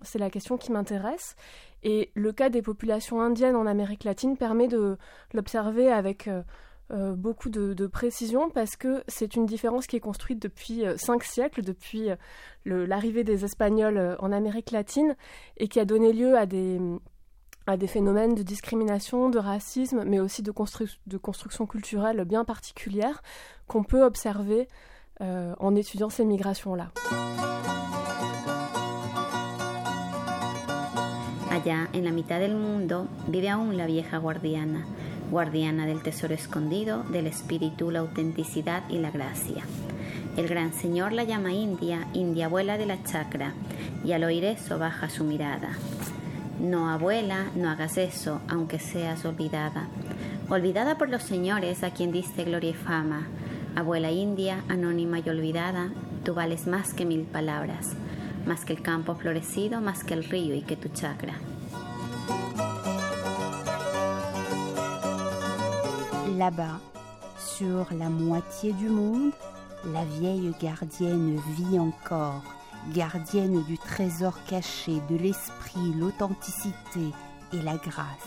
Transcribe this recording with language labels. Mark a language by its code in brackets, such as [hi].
[fr] C'est la question qui m'intéresse. Et le cas des populations indiennes en Amérique latine permet de l'observer avec beaucoup de précision, parce que c'est une différence qui est construite depuis 5 siècles, depuis l'arrivée des Espagnols en Amérique latine, et qui a donné lieu à des phénomènes de discrimination, de racisme, mais aussi de construction culturelle bien particulière qu'on peut observer en étudiant ces migrations-là. [es] Allá en la mitad del mundo vive aún la vieja guardiana, guardiana del tesoro escondido, del espíritu, la autenticidad y la gracia. El gran señor la llama India, India abuela de la chacra, y al oír eso baja su mirada. No, abuela, no hagas eso, aunque seas olvidada. Olvidada por los señores a quien diste gloria y fama. Abuela India, anónima y olvidada, tú vales más que 1000 palabras. Más que el campo florecido, más que el río y que tu chakra. [fr] Là-bas, sur la moitié du monde, la vieille gardienne vit encore, gardienne du trésor caché, de l'esprit, l'authenticité et la grâce.